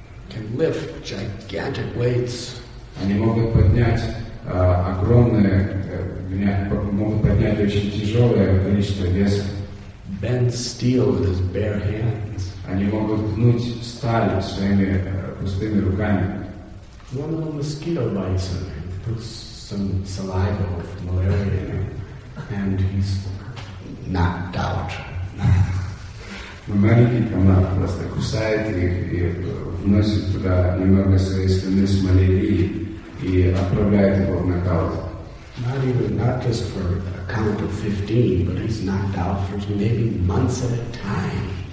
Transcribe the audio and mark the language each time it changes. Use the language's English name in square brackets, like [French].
[English] Can lift gigantic weights. [Russian] Они могут поднять могут поднять очень тяжелое количество веса. [English] Bend steel with his bare hands. [Russian] Они могут гнуть сталь своими пустыми руками. [English] One little mosquito bites him, puts some saliva with malaria in him, and he's knocked out. [Russian] Маленький комар просто кусает их и вносит туда немного своей страны с малярией и отправляет его в нокаут. [English] Not even, not just for a count of 15, but he's knocked out for maybe months at a time.